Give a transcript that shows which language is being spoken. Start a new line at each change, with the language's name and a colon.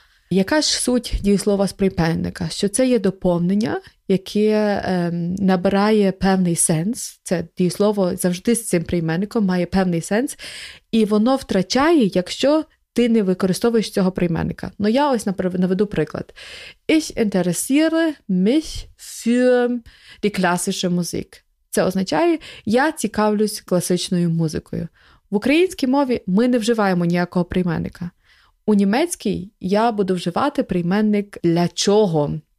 Ukrainian: Яка ж суть дієслова з прийменника? Що це є доповнення, яке набирає певний сенс. Це дієслово завжди з цим прийменником має певний сенс. І воно втрачає, якщо ти не використовуєш цього прийменника. Ну, я ось наведу приклад.
German: Ich interessiere mich für die klassische Musik.
Ukrainian: Це означає, я цікавлюсь класичною музикою. В українській мові ми не вживаємо ніякого прийменника. У німецькій я буду вживати прийменник «для чого».